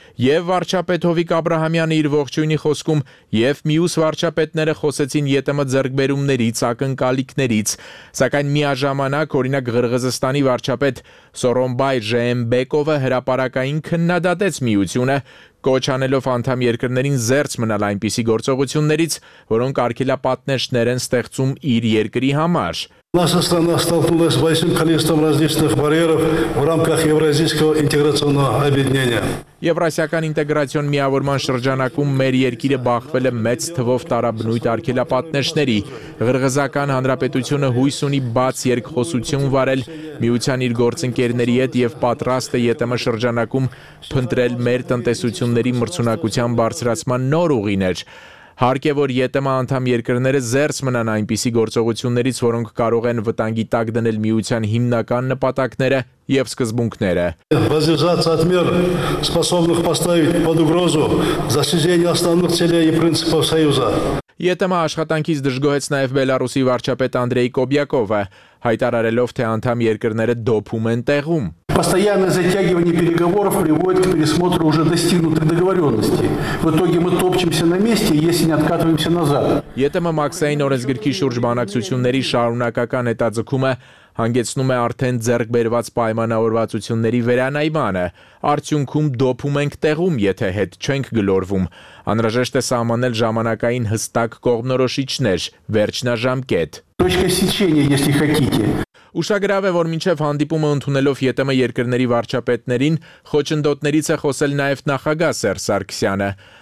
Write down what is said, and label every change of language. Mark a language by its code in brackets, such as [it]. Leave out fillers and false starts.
[hy] Եվ վարչապետ Հովիկ Աբրահամյանը իր ողջույնի խոսքում, եւ մյուս վարչապետները խոսեցին ԵՏՄ ձեռքբերումներից, ակնկալիքներից, սակայն միաժամանակ օրինակ Ղրղզստանի վարչապետ Սորոնբայ Ժեմբեկովը հրապարակային քննադատեց միությունը, կոչանելով անդամ երկրներին զերծ մնալ այնպիսի գործողություններից, որոնք արգելա պատնեշներ են ստեղծում իր երկրի համար։ [ru] Наша страна столкнулась с большим количеством различных барьеров в рамках евразийского интеграционного объединения. [hy] Եվրասիական ինտեգրացիոն միավորման շրջանակում մեր երկիրը բախվել է մեծ թվով տարաբնույթ արգելապատնեշների։ Ղրղզական հանրապետությունը հույս ունի բաց երկխոսություն վարել միության իր գործընկերների հետ եւ պատրաստ է ԵՏՄ շրջանակում փնտրել մեր տնտեսությունների մրցունակության բարձրացման նոր ուղիներ։ Հարկ է, որ ԵՏՄ անդամ երկրները զերծ մնան այնպիսի գործողություններից, որոնք կարող են վտանգի տակ դնել միության հիմնական նպատակները եւ սկզբունքները։ Բազմազատ ադմիր [ru] способных поставить под угрозу защищение основных целей и принципов союза։ [hy] ԵՏՄ աշխատանքից դժգոհեց նաեւ Բելարուսի վարչապետ Անդրեյ Կոբյակովը, հայտարարելով, թե անդամ երկրները դոփում են տեղում։ [ru] Постоянное затягивание переговоров приводит к пересмотру уже достигнутых договоренностей. В итоге мы топчемся на месте, если не откатываемся назад. [hy] ԵՏՄ Մաքսային օրենսգրքի շուրջ բանակցությունների շարունակական հետաձգումը հանգեցնում է արդեն ձեռք բերված պայմանավորվածությունների վերանայմանը։ Արդյունքում դոփում ենք տեղում, եթե հետ չենք գլորվում։ Անհրաժեշտ է սահմանել ժամանակային հստակ կողմնորոշիչներ, վերջնաժամկետ։ Ուշագրավ է, որ մինչև հանդիպումը ընդունելով ԵՏՄ երկրների վարչապետներին, խոչընդոտներից է խոսել նաև նախագահ Սերժ Սարգսյանը։